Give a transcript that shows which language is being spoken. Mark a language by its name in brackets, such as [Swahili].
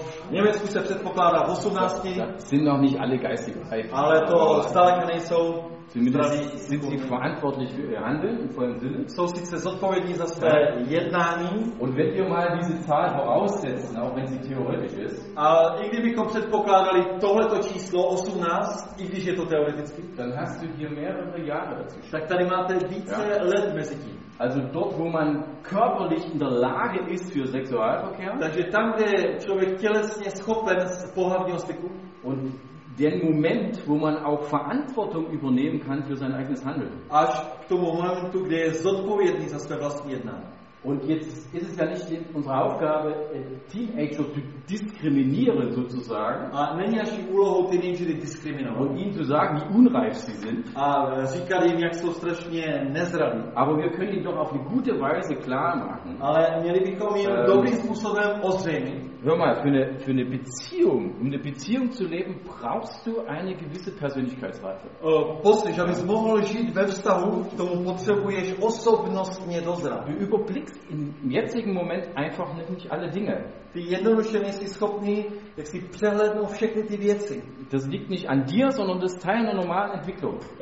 [Czech] Německu se předpokládá 18. [German] Sind noch nicht alle geistig reif. [Czech] Ale to stále nejsou. [German] Sind sie verantwortlich für ihr Handeln im vollen Sinne? [Czech] Jsou sice zodpovědní za své jednání. [German] Und wenn ihr mal diese Zahl voraussetzen, auch wenn sie theoretisch ist. [Czech] A i kdybychom předpokládali tohleto číslo 18, i když je to teoreticky. [German] Dann hast du hier mehrere Jahre dazwischen. [Czech] Tak tady máte více let mezi tím. [German] Also dort, wo man körperlich in der Lage ist für Sexualverkehr. [Czech] Takže tam, kde člověk tělesně schopen pohlavního styku. [German] Und den Moment, wo man auch Verantwortung übernehmen kann für sein eigenes Handeln. [Czech] Až k tomu momentu, kde je zodpovědný za své vlastní jednání. [German] Und jetzt ist es ja nicht unsere Aufgabe, Teenager zu diskriminieren sozusagen. [Czech] A není naší úlohou teenagery diskriminovat. [German] Und ihnen zu sagen, wie unreif sie sind. [Czech] A říkat jim, jak jsou strašně nezradní. [German] Aber wir können ihnen doch auf eine gute Weise klar machen. [Czech] Ale měli bychom jim dobrým způsobem ozřejmit. [German] Hör mal, für eine Beziehung, um eine Beziehung zu leben, brauchst du eine gewisse Persönlichkeitsreife. [Czech] Poslyš, abys mohl žít ve vztahu, k tomu potřebuješ osobnostně dozrat. [German] Du überblickst im jetzigen Moment einfach nicht alle Dinge. [Czech] Ty jednoduše nejsi schopný, jak si přehlednou všechny ty věci. [German] Das liegt nicht an dir, sondern das ist Teil einer normalen Entwicklung.